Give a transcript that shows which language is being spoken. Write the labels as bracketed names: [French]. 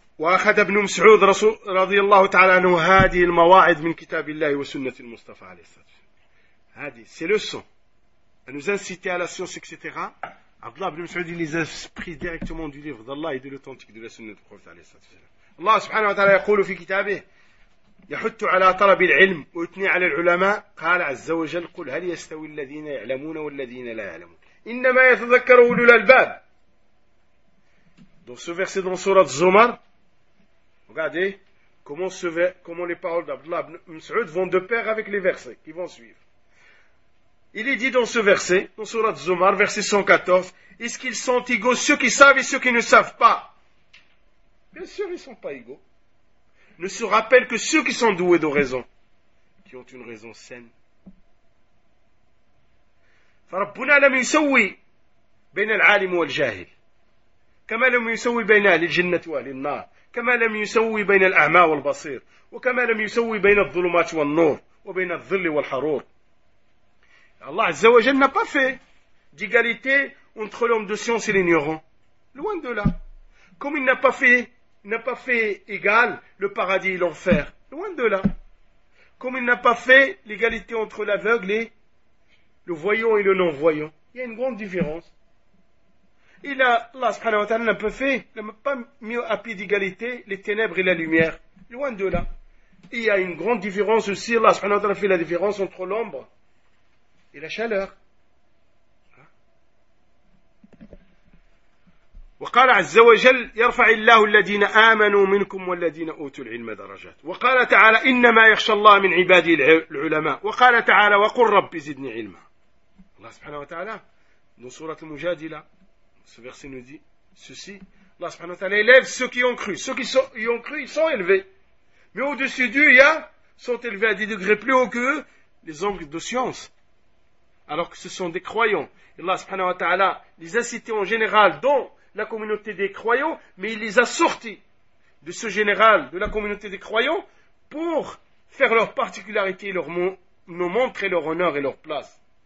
[Arabic] وأخذ ابن مسعود رضي الله تعالى عنه هذه المواعظ من كتاب الله وسنة المصطفى عليه الصلاة والسلام. هذه سيلوسون. [French] nous inciter à la science etc. Abdullah ibn Mas'ud les a pris directement du livre d'Allah et de l'authentique de la sunna du prophète [Arabic] عليه الصلاة والسلام. الله سبحانه وتعالى يقول في كتابه يحث على طلب العلم ويثني على العلماء قال عز وجل قل هل يستوي الذين يعلمون والذين لا يعلمون انما يتذكر اولو الالباب. [French] Donc ce verset dans sourate Zumar. Regardez comment les paroles d'Abdullah ibn Mas'ud vont de pair avec les versets qui vont suivre. Il est dit dans ce verset, dans Surat Zumar, verset 114, « Est-ce qu'ils sont égaux ceux qui savent et ceux qui ne savent pas ?» Bien sûr, ils ne sont pas égaux. Ne se rappellent que ceux qui sont doués de raison, qui ont une raison saine. [Arabic] « فَرَبُّنَا لَمْ يُسَوِّي بَيْنَ الْعَالِمُ وَالْجَاهِلِ كَمَا لَمْ يُسَوِّي بَيْنَا لِلْجِنَّةِ وَالِنَّارِ كما لم يسوي بين الأعمى والبصير وكما لم يسوي بين الظلمات والنور وبين الظل والحرور. الله عز وجل [French] n'a pas fait d'égalité entre l'homme de science et l'ignorant. Loin de là. Comme il n'a pas fait égal le paradis et l'enfer. Loin de là. Comme il n'a pas fait l'égalité entre l'aveugle et le voyant et le non-voyant. Il y a une grande différence. Il a, Allah subhanahu wa ta'ala n'a pas fait, n'a pas mis à pied d'égalité les ténèbres et la lumière. Loin de là. Il y a une grande différence aussi, Allah subhanahu wa ta'ala fait la différence entre l'ombre et la chaleur. [Arabic] وقال عز وجل يرفع الله الذين آمنوا منكم والذين أوتوا العلم درجات. وقال تعالى إنما يخشى الله من عبادي العلماء. وقال تعالى وقل رب زدني علما. [French] Allah subhanahu wa ta'ala dans sourate المجادلة. Ce verset nous dit ceci. Allah subhanahu wa ta'ala élève ceux qui ont cru. Ceux qui ont cru, ils sont élevés. Mais au-dessus d'eux, sont élevés à des degrés plus hauts que eux, les hommes de science. Alors que ce sont des croyants. Allah subhanahu wa ta'ala les a cités en général dans la communauté des croyants, mais il les a sortis de ce général, de la communauté des croyants, pour faire leur particularité, nous montrer leur honneur et leur place.